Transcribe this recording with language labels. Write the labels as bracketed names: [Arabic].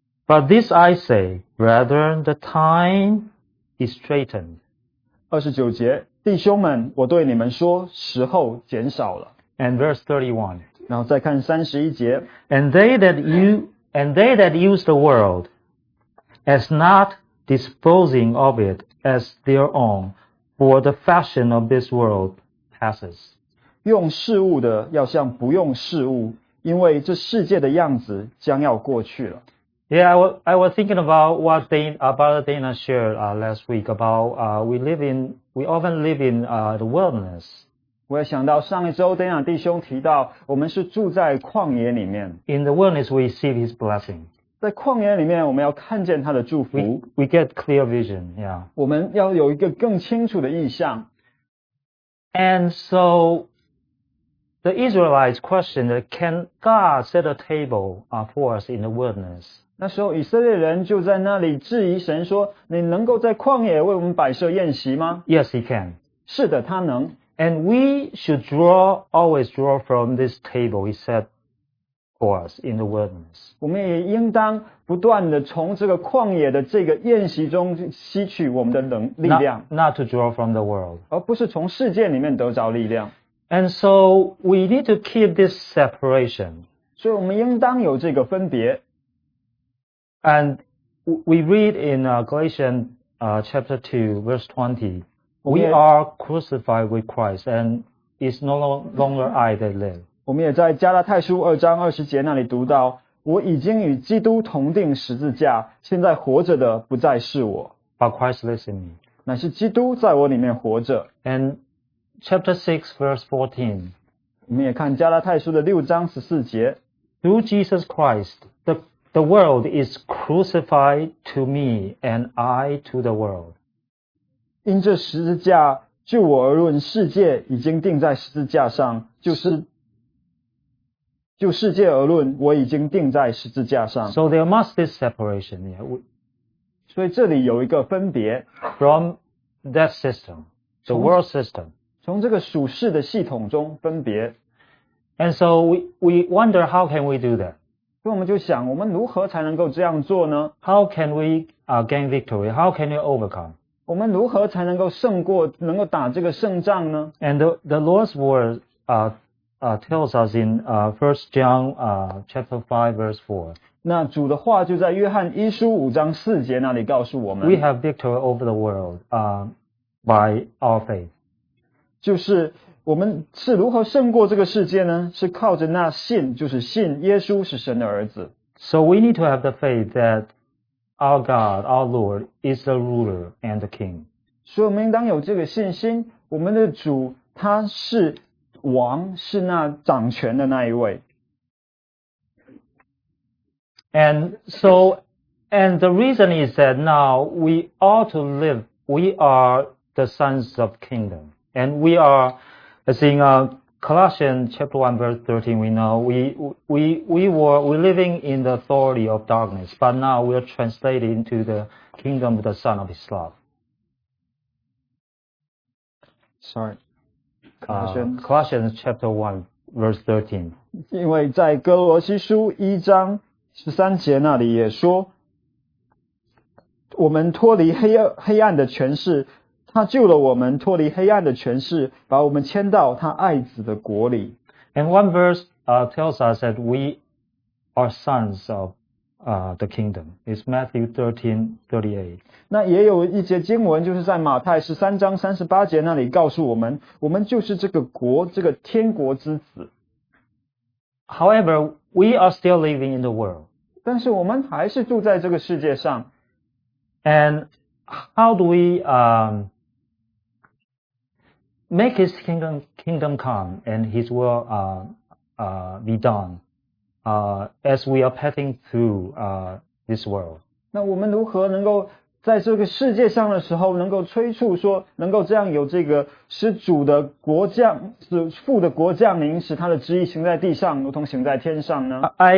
[English] But this I say, brethren, the time is straitened. [Chinese] 29节，弟兄们，我对你们说，时候减少了。 [English] And verse 31. [Chinese] 然后再看31节。 [English] And they that use the world as not disposing of it as their own, for the fashion of this world passes. [Chinese] 用事物的要像不用事物，因为这世界的样子将要过去了。 [English] Yeah, I was thinking about what Dana shared last week about we often live in the wilderness. [Chinese] 我也想到上一周 Dana 弟兄提到我们是住在旷野里面。 [English] In the wilderness, we receive His blessing. [Chinese] 在旷野里面，我们要看见他的祝福。 [English] We get clear vision. Yeah. [Chinese] 我们要有一个更清楚的意象。 [English] And so, the Israelites questioned, "Can God set a table for us in the wilderness?" [Chinese] 那时候以色列人就在那里质疑神说，你能够在旷野为我们摆设宴席吗？ [English] Yes, he can. [Chinese] 是的，他能。 [English] And we should always draw from this table he set for us in the wilderness. [Chinese] 我们也应当不断地从这个旷野的这个宴席中吸取我们的能力量。 [English] Not to draw from the world. [Chinese] 而不是从世界里面得着力量。 [English] And so we need to keep this separation. [Chinese] 所以我们应当有这个分别。 [English] And we read in Galatians chapter 2, verse 20, we are crucified with Christ, and it's no longer I that live. [Chinese] 我们也在加拉太书二章二十节那里读到，我已经与基督同钉十字架，现在活着的不再是我。 [English] But Christ lives in me. [Chinese] 乃是基督在我里面活着。 [English] And chapter 6, verse 14, [Chinese] 我们也看加拉太书的六章十四节。 [English] Through Jesus Christ, The world is crucified to me and I to the world. [Chinese] 因这十字架，就我而论，世界已经钉在十字架上，就世界而论，我已经钉在十字架上。 [English] So there must be separation. Yeah. [Chinese] 所以这里有一个分别。 [English] From that system, the world system. [Chinese] 从这个属世的系统中分别。 [English] And so we wonder how can we do that? [Chinese] 所以我们就想，我们如何才能够这样做呢 [English] ？How can we gain victory? How can we overcome? [Chinese] 我们如何才能够胜过，能够打这个胜仗呢 [English] ？And the Lord's word tells us in First John chapter 5 verse 4. [Chinese] 那主的话就在约翰一书五章四节那里告诉我们。 [English] We have victory over the world by our faith. [Chinese] 就是。我们是如何胜过这个世界呢？是靠着那信，就是信耶稣是神的儿子。 [English] So we need to have the faith that our God, our Lord, is the ruler and the king. [Chinese] 所以我们应当有这个信心，我们的主他是王，是那掌权的那一位。 [English] And the reason is that now we ought to live, we are the sons of kingdom, and we are. As in Colossians chapter 1 verse 13, we know we were living in the authority of darkness, but now we are translated into the kingdom of the Son of His love. Sorry. Colossians chapter 1 verse 13. [Chinese] 因为在哥罗西书一章十三节那里也说，我们脱离黑暗的权势。他救了我们脱离黑暗的权势把我们迁到他爱子的国里。 [English] And one verse tells us that we are sons of the kingdom. It's Matthew 13:38. [Chinese] 那也有一节经文就是在马太13章38节那里告诉我们我们就是这个国这个天国之子。 [English] However, we are still living in the world. [Chinese] 但是我们还是住在这个世界上。 [English] And how do we,Make His kingdom come and His will be done as we are passing through this world. [Chinese] 那我们如何能够在这个世界上的时候能够催促说能够这样有这个使主的国降使父的国降临使他的旨意行在地上如同行在天上呢